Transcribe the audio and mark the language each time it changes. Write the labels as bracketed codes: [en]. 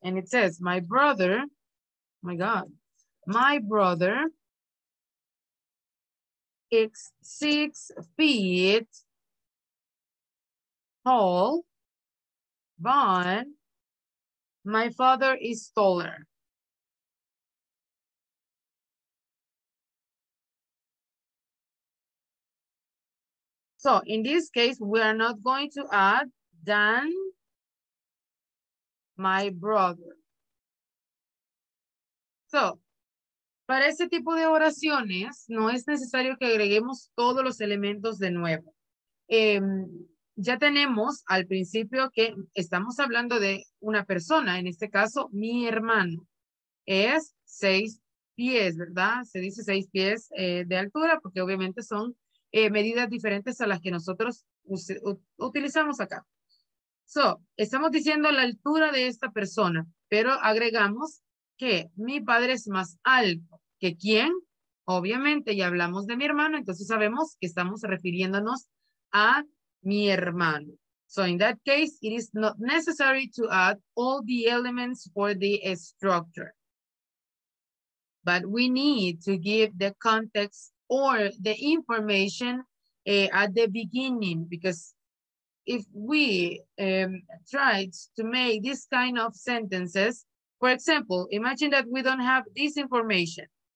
[en] And it says, my brother, my God, my brother is 6 feet tall, but my father is taller. So in this case, we are not going to add than my brother. [es] So, para ese tipo de oraciones, no es necesario que agreguemos todos los elementos de nuevo. Ya tenemos al principio que estamos hablando de una persona, en este caso, mi hermano. Es 6 pies, ¿verdad? Se dice 6 pies de altura porque obviamente son medidas diferentes a las que nosotros utilizamos acá. So, estamos diciendo la altura de esta persona, pero agregamos que mi padre es más alto que quién. Obviamente, ya hablamos de mi hermano, entonces sabemos que estamos refiriéndonos a mi hermano. [en] So, in that case, it is not necessary to add all the elements for the structure. But we need to give the context or the information at the beginning, because if we tried to make this kind of sentences, for example, imagine that we don't have this information.